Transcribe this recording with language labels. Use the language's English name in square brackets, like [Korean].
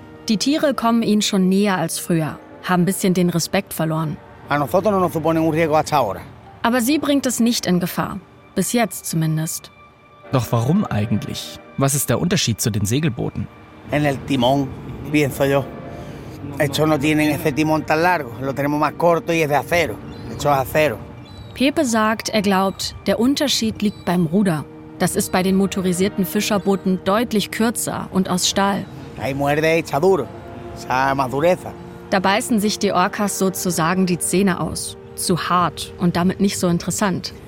[German] Die Tiere kommen ihnen schon näher als früher, haben ein bisschen den Respekt verloren. Aber sie bringt es nicht in Gefahr. Bis jetzt zumindest. Doch warum eigentlich? Was ist der Unterschied zu den Segelbooten? [Spanish] En el timón, pienso yo. Estos no tienen ese timón tan largo. Lo tenemos más corto y es de acero. Esto es acero. [German] Pepe sagt, er glaubt, der Unterschied liegt beim Ruder. Das ist bei den motorisierten Fischerbooten deutlich kürzer und aus Stahl. [Spanish] Ahí muerde y está duro. Esa más dureza. [German] Da beißen sich die Orcas sozusagen die Zähne aus. Zu hart und damit nicht so interessant.